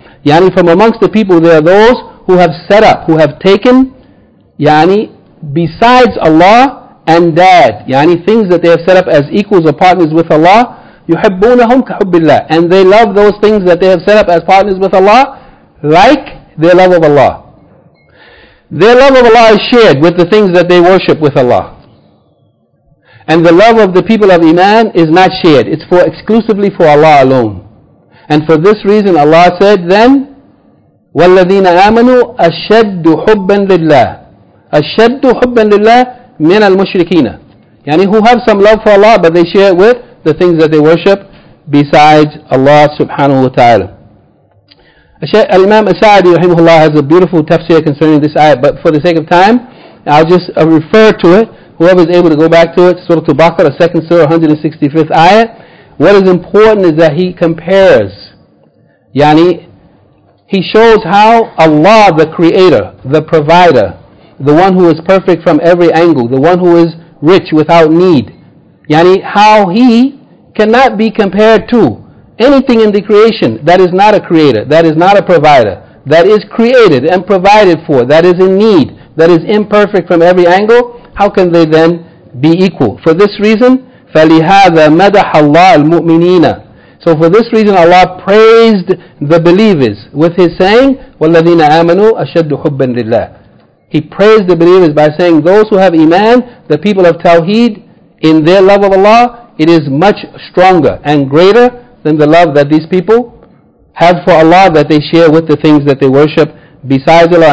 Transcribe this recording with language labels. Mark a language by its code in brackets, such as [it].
[en] Yani, from amongst the people, there are those who have set up, who have taken, yani, besides Allah, أَمْدَاد, yani, things that they have set up as equals or partners with Allah, [ar] يُحِبُّونَهُمْ كَحُبِّ اللَّهِ, [en] and they love those things that they have set up as partners with Allah, like their love of Allah. Their love of Allah is shared with the things that they worship with Allah. And the love of the people of Iman is not shared. It's for exclusively for Allah alone. And for this reason, Allah said then, [ar] وَالَّذِينَ آمَنُوا أَشَدُّ حُبًّا لِلَّهِ أَشَدُّ حُبًّا لِلَّهِ مِنَ الْمُشْرِكِينَ. [en] Yani, who have some love for Allah, but they share it with the things that they worship besides Allah subhanahu wa ta'ala. Al-Imam As-Sa'di rahimahullah has a beautiful tafsir concerning this ayah, but for the sake of time, I'll just refer to it. Whoever is able to go back to it, Surah Al-Baqarah, 2nd Surah, 165th ayah. What is important is that he compares, yani, he shows how Allah, the creator, the provider, the one who is perfect from every angle, the one who is rich without need, yani, how he cannot be compared to anything in the creation that is not a creator, that is not a provider, that is created and provided for, that is in need, that is imperfect from every angle, how can they then be equal? For this reason, [ar] فَلِهَذَا مَدَحَ اللَّهُ الْمُؤْمِنِينَ. [en] So for this reason, Allah praised the believers with His saying, [ar] وَالَّذِينَ آمَنُوا أَشَدُّ حُبًّا لِلَّهِ. [en] He praised the believers by saying, those who have Iman, the people of Tawheed, in their love of Allah, it is much stronger and greater than the love that these people have for Allah that they share with the things that they worship besides Allah.